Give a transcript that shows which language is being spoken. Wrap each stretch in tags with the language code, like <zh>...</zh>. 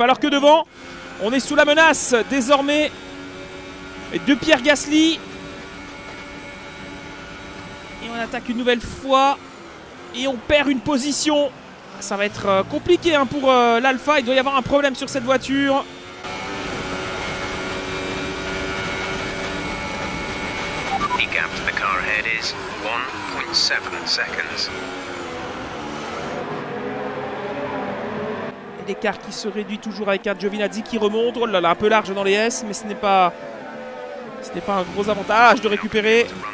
<fr>Alors que devant, on est sous la menace désormais de Pierre Gasly. Et on attaque une nouvelle fois et on perd une position. Ça va être compliqué pour l'Alpha. Il doit y avoir un problème sur cette voiture.</fr> <en>The gap to the car ahead is 1.7 seconds.</en> <fr>Et l'écart qui se réduit toujours avec un Giovinazzi qui remonte. Oh là là, un peu large dans les S, mais ce n'est pas un gros avantage de récupérer.</fr>